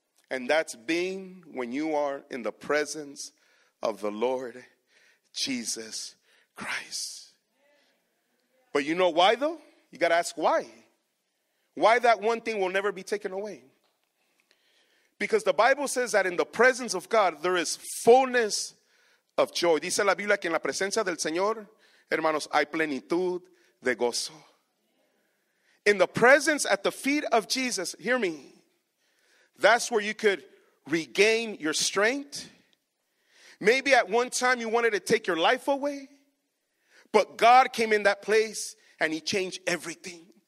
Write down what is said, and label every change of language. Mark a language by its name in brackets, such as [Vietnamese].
[English] And that's being when you are in the presence of the Lord Jesus Christ. But you know why though? You got to ask why. Why that one thing will never be taken away? Because the Bible says that in the presence of God, there is fullness of joy. [Spanish] Dice la Biblia que en la presencia del Señor, hermanos, hay plenitud de gozo. [English] In the presence at the feet of Jesus, hear me, that's where you could regain your strength. Maybe at one time you wanted to take your life away, but God came in that place and He changed everything.